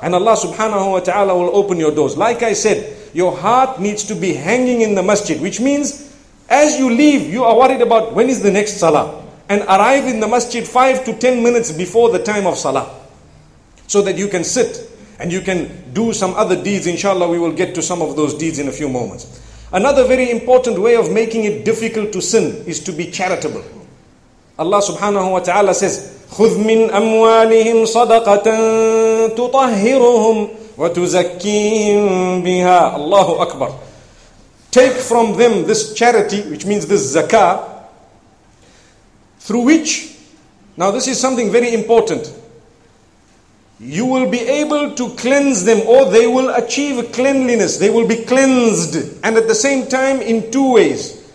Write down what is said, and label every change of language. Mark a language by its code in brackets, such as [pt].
[en] And Allah subhanahu wa ta'ala will open your doors. Like I said, your heart needs to be hanging in the masjid, which means, as you leave, you are worried about when is the next salah. And arrive in the masjid 5 to 10 minutes before the time of salah. So that you can sit and you can do some other deeds. Inshallah, we will get to some of those deeds in a few moments. Another very important way of making it difficult to sin is to be charitable. [ar] Allah subhanahu wa ta'ala says, خُذْ مِنْ أَمْوَالِهِمْ صَدَقَةً تُطَهِّرُهُمْ وَتُزَكِّيهِمْ بِهَا. Allahu Akbar. [en] Take from them this charity, which means this zakah, through which, now this is something very important. you will be able to cleanse them, or they will achieve cleanliness. They will be cleansed. And at the same time, in two ways.